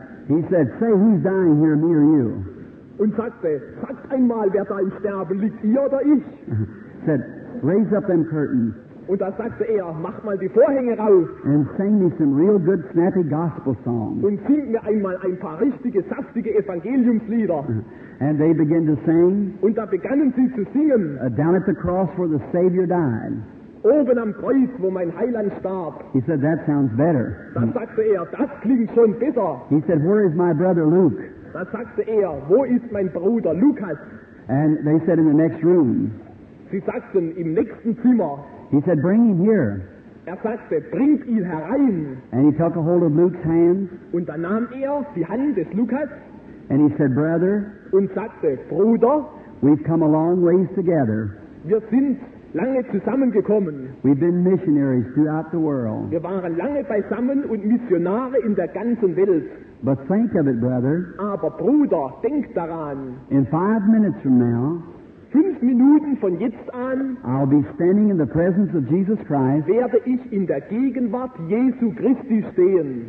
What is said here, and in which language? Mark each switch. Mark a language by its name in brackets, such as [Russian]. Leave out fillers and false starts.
[English] He said, "Say, who's dying here, me or you?" [German] Und sagte, sagt einmal, wer da im Sterben liegt, ihr oder ich? [English] Said, raise up them curtains. [German] Und da sagte mach mal die Vorhänge raus. [English] And sing me some real good snappy gospel songs. [German] Und sing mir einmal ein paar richtige, saftige Evangeliumslieder. [English] And they began to sing. [German] Und da begannen sie zu singen. [English] Down at the cross where the Savior died. [German] Oben am Kreuz, wo mein Heiland starb. [English] He said, that sounds better. [German] Da sagte das klingt schon besser. [English] He said, where is my brother Luke? [German] Da sagte wo ist mein Bruder Lukas? [English] And they said, in the next room. [German] Sie sagten, im nächsten Zimmer. [English] He said, bring him here. [German] Sagte, bringt ihn herein. [English] And he took a hold of Luke's hands. [German] Und dann nahm die Hand des Lukas. [English] And he said, brother. [German] Und sagte, Bruder. [English] We've come a long ways together. [German] Wir sind lange zusammengekommen. [English] We've been missionaries throughout the world. [German] Wir waren lange beisammen und Missionare in der ganzen Welt. [English] But think of it, brother. [German] Aber Bruder, denk daran. [English] In 5 minutes from now, [German] 5 Minuten von jetzt an, [English] I'll be standing in the presence of Jesus Christ, [German] werde ich in der Gegenwart Jesu Christi stehen,